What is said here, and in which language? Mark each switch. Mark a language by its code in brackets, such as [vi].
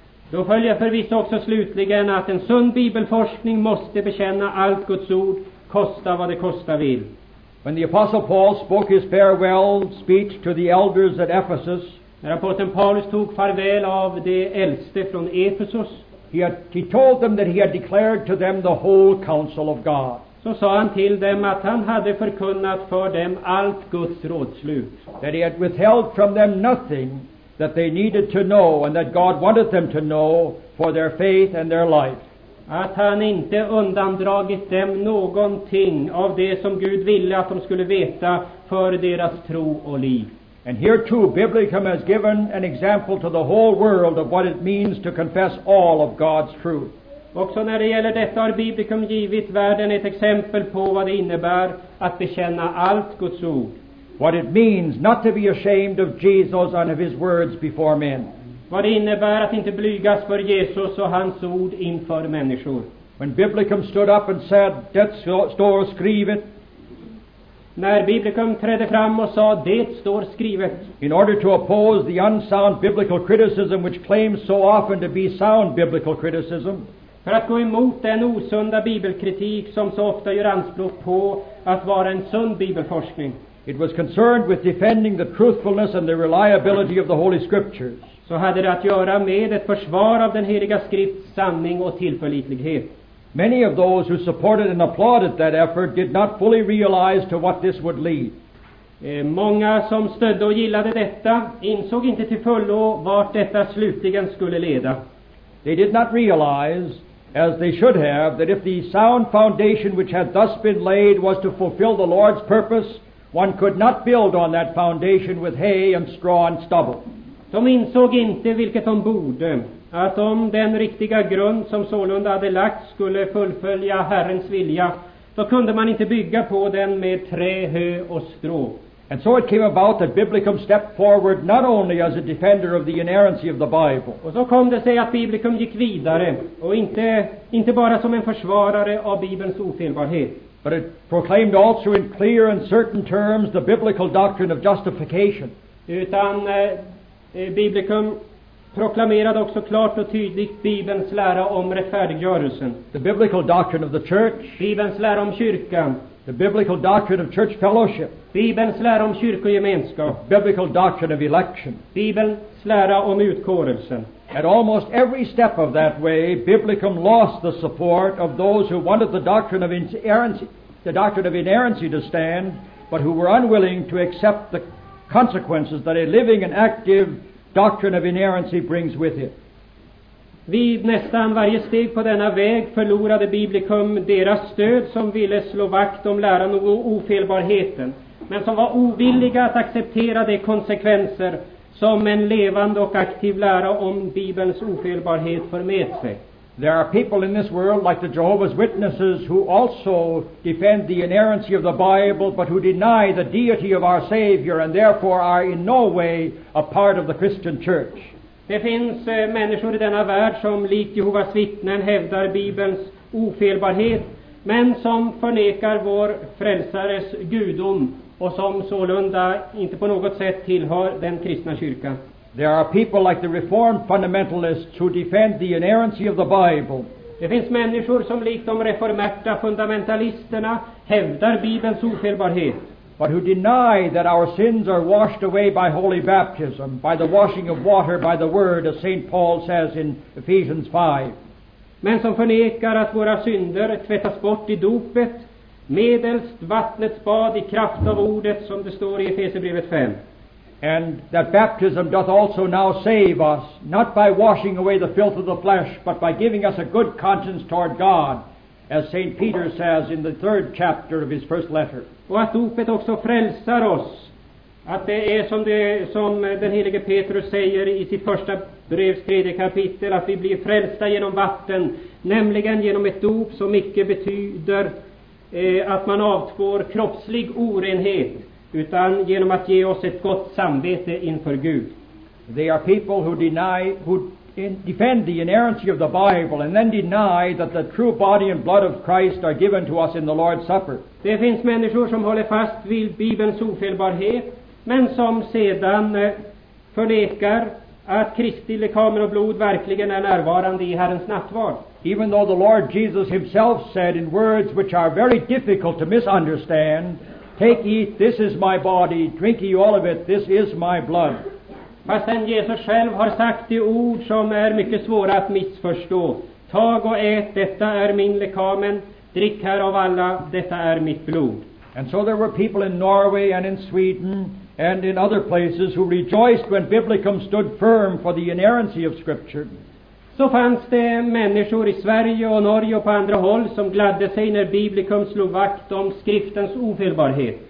[sv] Då följer förvisso också slutligen att en sund bibelforskning måste bekänna allt Guds ord, kosta vad det kostar vill. [en] When the apostle Paul spoke his farewell speech to the elders at Ephesus, [sv] när aposteln Paulus tog farväl av de äldste från Efesus, [en] he told them that he had declared to them the whole counsel of God. [sv] Så sa han till dem att han hade förkunnat för dem allt Guds rådslut. [en] That he had withheld from them nothing that they needed to know and that God wanted them to know for their faith and their life. [sv] Att han inte undandragit dem någonting av det som Gud ville att de skulle veta för deras tro och liv. [en] And here too Biblicum has given an example to the whole world of what it means to confess all of God's truth. [sv] Också när det gäller detta har Biblicum givit världen ett exempel på vad det innebär att bekänna allt Guds ord. [en] What it means not to be ashamed of Jesus and of his words before men. [sv] Vad innebär att inte blygas för Jesus och hans ord inför människor. [en] When Biblicum stood up and said, [sv] det står skrivet. När Biblicum trädde fram och sa, det står skrivet. [en] In order to oppose the unsound biblical criticism which claims so often to be sound biblical criticism. [sv] För att gå emot den osunda bibelkritik som så ofta gör anspråk på att vara en sund bibelforskning. [en] It was concerned with defending the truthfulness and the reliability of the Holy Scriptures. [sv] Så hade det att göra med ett försvar av den heliga skrifts sanning och tillförlitlighet. [en] Many of those who supported and applauded that effort did not fully realize to what this would lead. [sv] Många som stödde och gillade detta insåg inte till fullo vart detta slutligen skulle leda. [en] They did not realize, as they should have, that if the sound foundation which had thus been laid was to fulfill the Lord's purpose, one could not build on that foundation with hay and straw and stubble. [sv] De insåg inte vilket de borde, att om den riktiga grund som sålunda hade lagt skulle fullfölja Herrens vilja, då kunde man inte bygga på den med trä, hö och strå. [en] And so it came about that Biblicum stepped forward not only as a defender of the inerrancy of the Bible. [sv] Och så kom det sig att Biblicum gick vidare och inte bara som en försvarare av Bibelns ofelbarhet. [en] But it proclaimed also in clear and certain terms the biblical doctrine of justification. [sv] Utan Biblicum proklamerade också klart och tydligt Bibelns lära om rättfärdiggörelsen. [en] The biblical doctrine of the church. [sv] Bibelns lära om kyrkan. [en] The biblical doctrine of church fellowship. [sv] Bibelns lära om kyrkogemenskap. [en] The biblical doctrine of election. [sv] Bibelns lära om utkårelsen. [en] At almost every step of that way, Biblicum lost the support of those who wanted the doctrine of inerrancy to stand, but who were unwilling to accept the consequences that a living and active doctrine of inerrancy brings with it. [sv] Vid nästan varje steg på denna väg förlorade Biblicum deras stöd som ville slå vakt om läran och ofelbarheten, men som var ovilliga att acceptera de konsekvenser som en levande och aktiv lära om Bibelns ofelbarhet för med sig. [en] There are people in this world like the Jehovah's Witnesses who also defend the inerrancy of the Bible but who deny the deity of our Savior and therefore are in no way a part of the Christian church. [sv] Det finns människor i denna värld som likt Jehovas vittnen hävdar Bibelns ofelbarhet men som förnekar vår frälsares gudom och som sålunda inte på något sätt tillhör den kristna kyrkan. [en] There are people like the reformed fundamentalists who defend the inerrancy of the Bible. [sv] Det finns människor som likt de reformerta fundamentalisterna hävdar Bibelns ofelbarhet. [en] But who deny that our sins are washed away by holy baptism, by the washing of water, by the word, as St. Paul says in Ephesians 5. [sv] Men som förnekar att våra synder tvättas bort i dopet, medelst vattnets bad i kraft av ordet, som det står i Efesierbrevet 5. [en] And that baptism doth also now save us, not by washing away the filth of the flesh, but by giving us a good conscience toward God, as St. Peter says in the 3rd chapter of his first letter. [sv] Och att dopet också frälsar oss, att det är som den helige Petrus säger i sitt första brevs tredje kapitel, att vi blir frälsta genom vatten, nämligen genom ett dop som icke betyder att man avtvår kroppslig orenhet, utan genom att ge oss ett gott samvete inför Gud. [en] They are people who deny, who defend the inerrancy of the Bible and then deny that the true body and blood of Christ are given to us in the Lord's Supper. [sv] Det finns människor som håller fast vid Bibelns ofelbarhet men som sedan förnekar att Kristi lekamen och blod verkligen är närvarande i Herrens nattvard. [en] Even though the Lord Jesus himself said in words which are very difficult to misunderstand, take eat, this is my body, drink ye all of it, this is my blood. [sv] Fastän Jesus själv har sagt i ord som är mycket svåra att missförstå. Tag och ät, detta är min lekamen. Drick här av alla, detta är mitt blod. [en] And so there were people in Norway and in Sweden and in other places who rejoiced when Biblicum stood firm for the inerrancy of Scripture. [sv] Så fanns det människor i Sverige och Norge och på andra håll som gladde sig när Biblicum slog vakt om skriftens ofelbarhet.